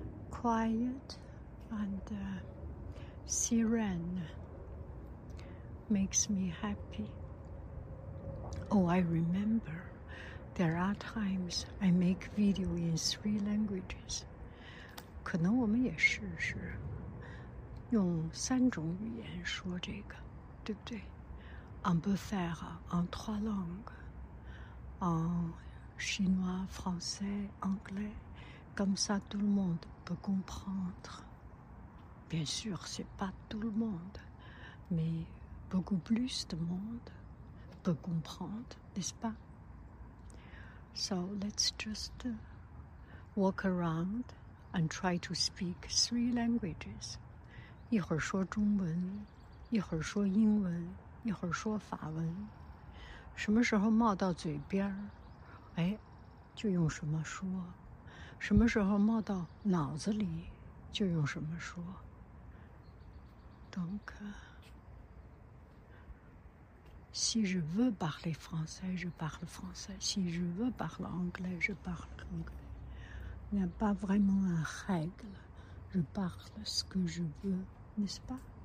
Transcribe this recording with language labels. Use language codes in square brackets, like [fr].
[en] Quiet and serene. Makes me happy. Oh, I remember. There are times I make video in three languages. [zh] 可能我们也试试用三种语言说这个，对不对？ [fr] On peut faire en trois langues. En chinois, français, anglais. Comme ça, tout le monde peut comprendre. Bien sûr, c'est pas tout le monde. Mais beaucoup plus de monde peut comprendre, n'est-ce pas? [en] So let's just walk around and try to speak three languages. [zh] 一会儿说中文，一会儿说英文，一会儿说法文。什么时候冒到嘴边，哎，就用什么说。什么时候冒到脑子里，就用什么说。 [fr] Donc, si je veux parler français, je parle français. Si je veux parler anglais, je parle anglais. Il n'y a pas vraiment une règle. Je parle ce que je veux, n'est-ce pas?